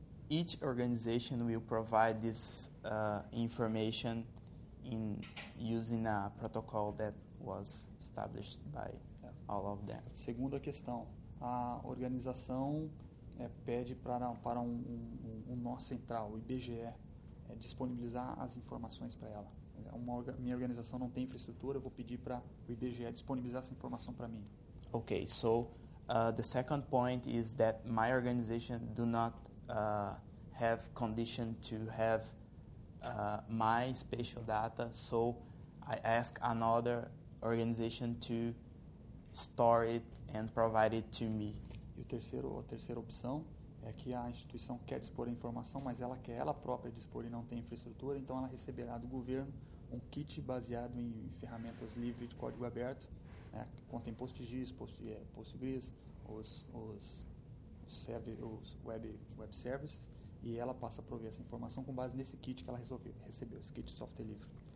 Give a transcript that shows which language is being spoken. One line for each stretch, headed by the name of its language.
English: Each organization will provide this information in using a protocol that was established by all of them.
Portuguese: Segunda questão, a organização pede para um nó central, o IBGE, disponibilizar as informações para ela. Minha organização não tem infraestrutura, eu vou pedir para o IBGE disponibilizar essa informação para mim.
English: Okay, so the second point is that my organization do not have condition to have my spatial data, so I ask another organization to store it and provide it to me.
Portuguese: E a terceira opção é que a instituição quer dispor a informação, mas ela quer ela própria dispor e não tem infraestrutura, então ela receberá do governo um kit baseado em ferramentas livres de código aberto, né, que contém PostGIS, PostGIS, os web services, e ela passa a prover essa informação com base nesse kit que ela recebeu, esse kit de software livre.